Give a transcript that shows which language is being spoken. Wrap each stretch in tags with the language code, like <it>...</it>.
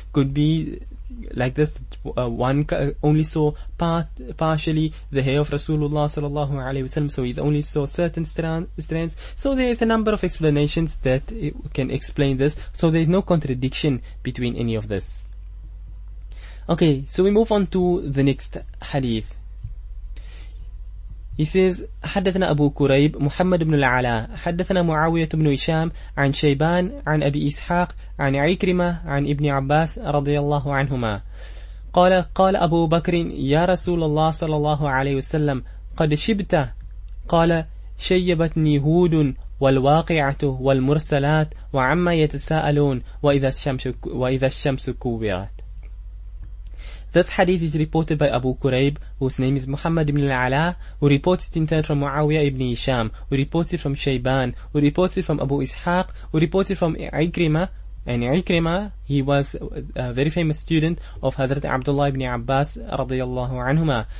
<en>Could be like this, one only saw partially the hair of Rasulullah sallallahu alaihi wasallam, so he only saw certain strands. So there is a number of explanations that can explain this, so there is no contradiction between any of this. Okay, so we move on to the next hadith. He says,</en> <ar>حدثنا أبو كريب محمد بن العلاء حدثنا معاوية بن هشام عن شيبان عن أبي إسحاق عن عكرمة عن ابن عباس رضي الله عنهما قال قال أبو بكر يا رسول الله صلى الله عليه وسلم قد شبت قال شيبتني هود والواقعة والمرسلات وعما يتساءلون وإذا الشمس كورت.</ar> <en>This hadith is reported by Abu Kurayb, whose name is Muhammad ibn al-Ala, who reports it in turn from Muawiyah ibn Hisham, who reports it from Shayban, who reports it from Abu Ishaq, who reports it from Ikrimah. And Ikrimah, he was a very famous student of Hazrat Abdullah ibn Abbas radiyallahu anhuma.</en>